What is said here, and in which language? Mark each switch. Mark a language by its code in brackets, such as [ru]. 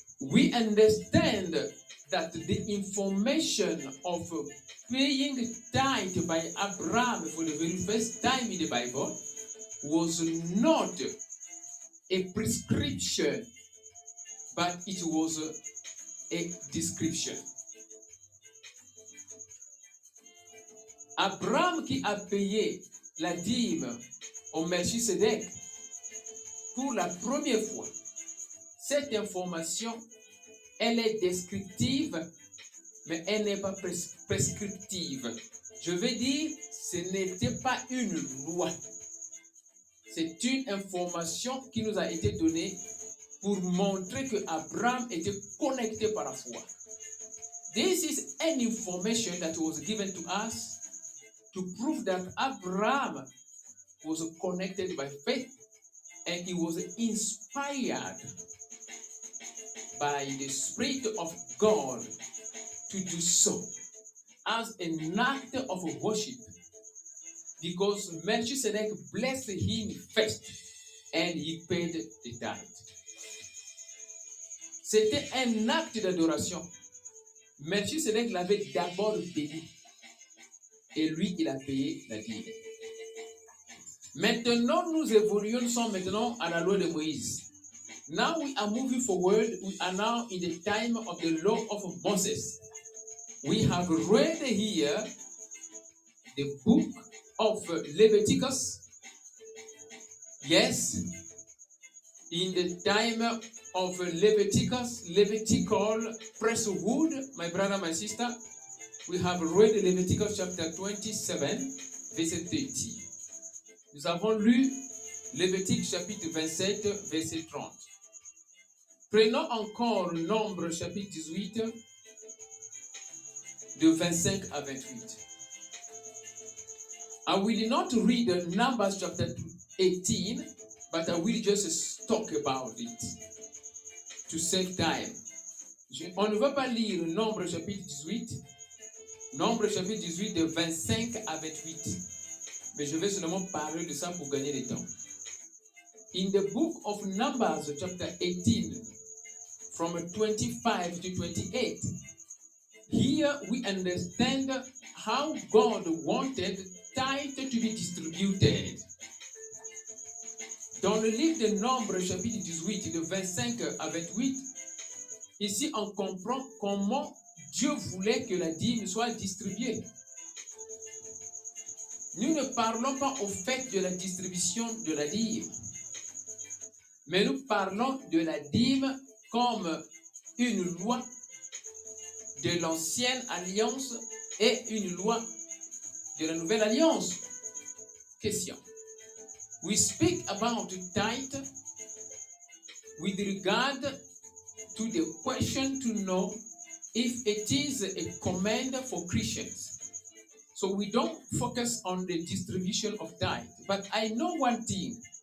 [en] We understand that the information of paying tithe by Abraham for the very first time in the Bible was not a prescription, but it was a description. [fr] Abraham qui a payé la dîme au Melchisedec pour la première fois, cette information, elle est descriptive, mais elle n'est pas prescriptive. Je veux dire, ce n'était pas une loi. C'est une information qui nous a été donnée pour montrer que Abraham était connecté par la foi. [en] This is an information that was given to us to prove that Abraham was connected by faith and he was inspired by the Spirit of God to to do so as an act of worship, because Melchizedek blessed him first and he paid the tithe. [fr] C'était un acte d'adoration. Melchizedek l'avait d'abord béni et lui, il a payé la dîme. Maintenant, nous évoluons, sommes maintenant à la loi de Moïse. [en] Now we are moving forward, we are now in the time of the law of Moses. We have read here the book of Leviticus. Yes, in the time of Leviticus, Levitical priesthood, my brother, my sister, we have read Leviticus chapter 27, verse 30. [fr] Nous avons lu Lévitique chapitre 27, verset 30. Prenons encore Nombre chapitre 18, de 25 à 28. [en] I will not read Numbers chapter 18, but I will just talk about it to save time. [fr] On ne va pas lire Nombre chapitre 18, Nombre chapitre 18, de 25 à 28. Mais je vais seulement parler de ça pour gagner du temps. [en] In the book of Numbers, chapter 18, from 25 to 28, here we understand how God wanted tithe to be distributed. [fr] Dans le livre de Nombres, chapitre 18, de 25 à 28, ici on comprend comment Dieu voulait que la dîme soit distribuée. Nous ne parlons pas au fait de la distribution de la dîme, mais nous parlons de la dîme comme une loi de l'ancienne alliance et une loi de la nouvelle alliance. Question. [en] We speak about tithe with regard to the question to know if it is a command for Christians. So we don't focus on the distribution of tithe. But I know one thing.